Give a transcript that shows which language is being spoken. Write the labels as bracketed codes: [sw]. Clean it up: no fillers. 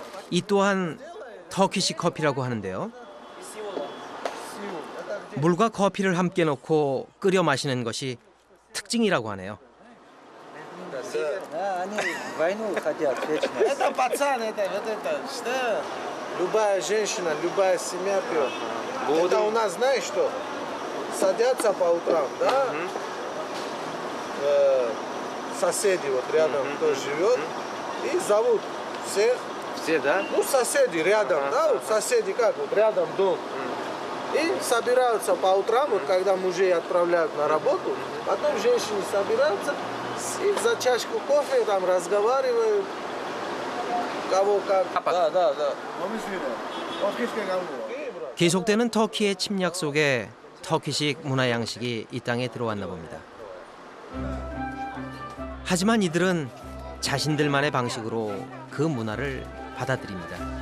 [ko] 이 또한 터키식 커피라고 하는데요. 물과 커피를 함께 넣고 끓여 마시는 것이 특징이라고 하네요. 아니, 와인을 가져야 되지. [ru] Это пацан, это что? Любая женщина, любая семья пьет. Это у нас, знаешь что? Садятся по утрам, да? Соседи вот рядом кто живет и зовут всех. Все, да? Ну, соседи рядом, да? Вот соседи как? Вот рядом дом. И собираются по утрам, вот когда мужей отправляют на работу, потом женщины собираются и за чашку кофе там разговаривают, кого как. Да, да, да. [ko] 계속되는 터키의 침략 속에 터키식 문화 양식이 이 땅에 들어왔나 봅니다. 하지만 이들은 자신들만의 방식으로 그 문화를 받아들입니다.